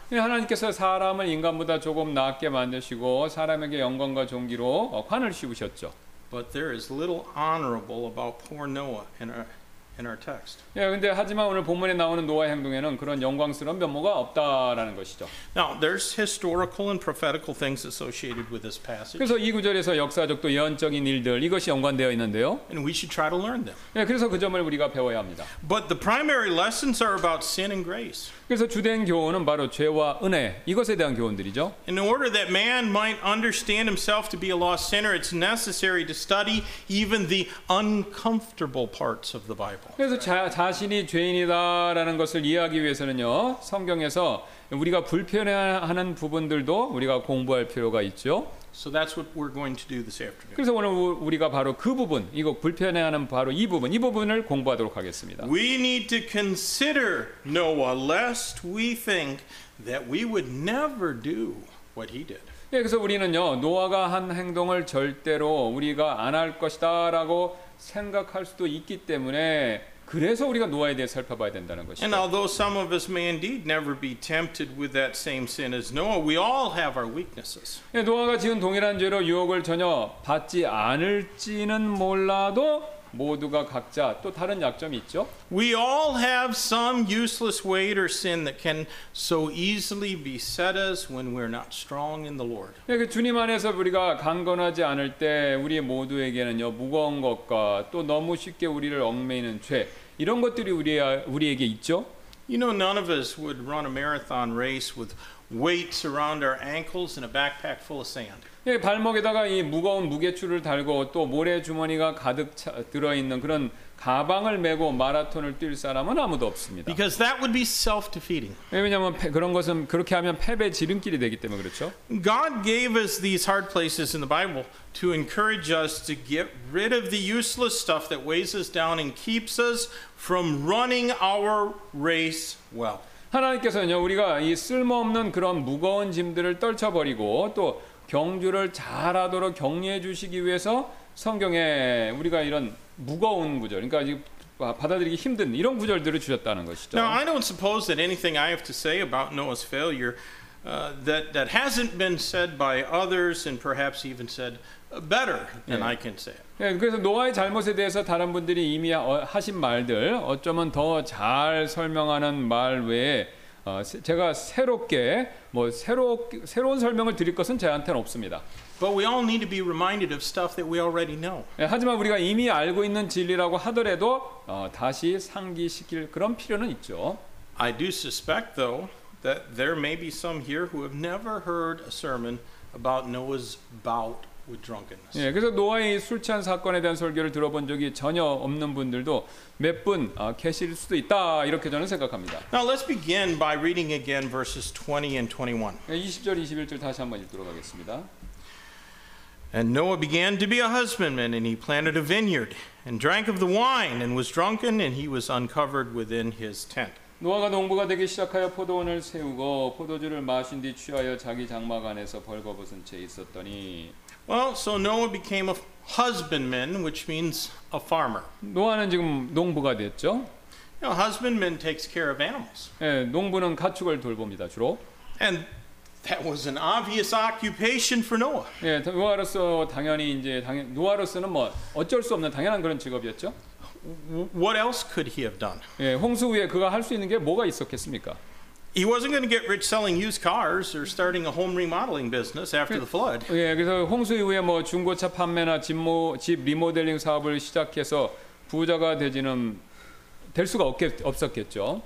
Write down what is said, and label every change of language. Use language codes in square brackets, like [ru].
[ko] 예, 하나님께서 사람을 인간보다 조금 낮게 만드시고 사람에게 영광과 존귀로 관을 씌우셨죠. [en] But there is little honorable about poor Noah in our text. [ko] 예, 근데 하지만 오늘 본문에 나오는 노아의 행동에는 그런 영광스러운 면모가 없다라는 것이죠. [en] Now there's historical and prophetical things associated with this passage. [ko] 그래서 이 구절에서 역사적 또 예언적인 일들 이것이 연관되어 있는데요. [en] And we should try to learn them. [ko] 예, 그래서 그 점을 우리가 배워야 합니다. [en] But the primary lessons are about sin and grace. [ko] 그래서 주된 교훈은 바로 죄와 은혜 이것에 대한 교훈들이죠. [en] In order that man might understand himself to be a lost sinner, it's necessary to study even the uncomfortable parts of the Bible. [ko] 그래서 자신이 죄인이다라는 것을 이해하기 위해서는요, 성경에서 우리가 불편해하는 부분들도 우리가 공부할 필요가 있죠. [en] So that's what we're going to do this afternoon. [ko] 그래서 오늘 우리가 바로 그 부분, 이거 불편해하는 바로 이 부분, 이 부분을 공부하도록 하겠습니다. [en] We need to consider Noah lest we think that we would never do what he did. [ko] 예, 그래서 우리는요, 노아가 한 행동을 절대로 우리가 안 할 것이다라고 생각할 수도 있기 때문에 그래서 우리가 노아에 대해 살펴봐야 된다는 것이죠. [en] And although some of us may indeed never be tempted with that same sin as Noah, we all have our weaknesses. [ko] 예, 노아가 지은 동일한 죄로 유혹을 전혀 받지 않을지는 몰라도 모두가 각자 또 다른 약점이 있죠. [en] We all have some useless weight or sin that can so easily beset us when we're not strong in the Lord. [ko] 예, 그 주님 안에서 우리가 강건하지 않을 때 우리 모두에게는요 무거운 것과 또 너무 쉽게 우리를 얽매이는 죄 이런 것들이 우리에게 있죠. [en] You know, none of us would run a marathon race with weights around our ankles and a backpack full of sand. [ko] 예, 발목에다가 이 무거운 무게추를 달고 또 모래주머니가 가득 들어있는 그런 가방을 메고 마라톤을 뛸 사람은 아무도 없습니다. [en] Because that would be self-defeating. [ko] 예, 왜냐하면 그런 것은 그렇게 하면 패배 지름길이 되기 때문에 그렇죠. [en] God gave us these hard places in the Bible to encourage us to get rid of the useless stuff that weighs us down and keeps us from running our race well. [ko] 하나님께서는요, 우리가 이 쓸모없는 그런 무거운 짐들을 떨쳐버리고 또 경주를 잘하도록 격려해 주시기 위해서 성경에 우리가 이런 무거운 구절, 그러니까 받아들이기 힘든 이런 구절들을 주셨다는 것이죠. [en] Now, I don't suppose that anything I have to say about Noah's failure that hasn't been said by others and perhaps even said better than [ko] 네. [en] I can say. [ko] 네, 그래서 노아의 잘못에 대해서 다른 분들이 이미 하신 말들 어쩌면 더 잘 설명하는 말 외에 제가 새롭게 뭐 새로운 설명을 드릴 것은 저한테는 없습니다. [en] But we all need to be reminded of stuff that we already know. [ko] 예, 하지만 우리가 이미 알고 있는 진리라고 하더라도 다시 상기시킬 그런 필요는 있죠. [en] I do suspect though that there may be some here who have never heard a sermon about Noah's bout with drunkenness. [ko] 예, 그래서 노아의 술 취한 사건에 대한 설교를 들어본 적이 전혀 없는 분들도 몇 분 계실 수도 있다 이렇게 저는 생각합니다. [en] Now let's begin by reading again verses 20 and 21. [ko] 20절 21절 다시 한번 읽도록 하겠습니다. [en] And Noah began to be a husbandman, and he planted a vineyard, and drank of the wine, and was drunken, and he was uncovered within his tent. [ko] 노아가 농부가 되기 시작하여 포도원을 세우고 포도주를 마신 뒤 취하여 자기 장막 안에서 벌거벗은 채 있었더니. [en] Well, so Noah became a husbandman, which means a farmer. [ko] 노아는 지금 농부가 됐죠. [en] You know, husbandman takes care of animals. [ko] 예, 농부는 가축을 돌봅니다, 주로. [en] And that was an obvious occupation for Noah. [ko] 예, 노아로서 당연히 이제 노아로서는 뭐 어쩔 수 없는 당연한 그런 직업이었죠. [en] What else could he have done? [ko] 예, 홍수 후에 그가 할 수 있는 게 뭐가 있었겠습니까? [en] He wasn't going to get rich selling used cars or starting a home remodeling business after the flood. [ko] 예, 그래서 홍수 이후에 뭐 중고차 판매나 집 리모델링 사업을 시작해서 부자가 되지는 될 수가 없었겠죠.